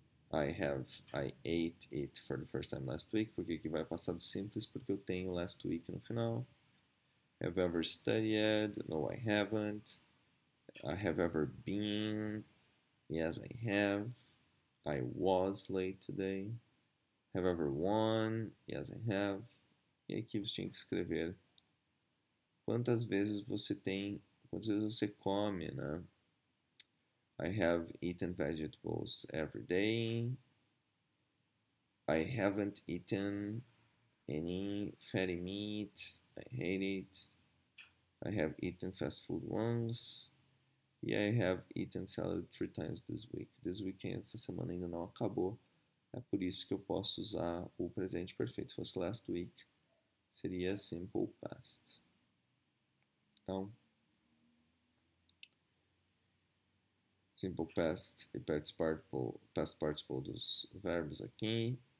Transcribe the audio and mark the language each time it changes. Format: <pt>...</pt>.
<en>I ate it for the first time last week.</en> <pt>Porque aqui vai passar do simples, porque eu tenho</pt> <en>last week</en> <pt>no final.</pt> <en>Have ever studied? No, I haven't. I have ever been? Yes, I have. I was late today. Have ever won? Yes, I have.</en> <pt>E aqui você tinha que escrever quantas vezes você tem, quantas vezes você come, né?</pt> <en>I have eaten vegetables every day. I haven't eaten any fatty meat. I hate it. I have eaten fast food once. Yeah, I have eaten salad 3 times this week. This weekend,</en> <pt>essa semana ainda não acabou. É por isso que eu posso usar o presente perfeito. Se fosse</pt> <en>last week,</en> <pt>seria simple past. Então, simple past e past participle dos verbos aqui.</pt>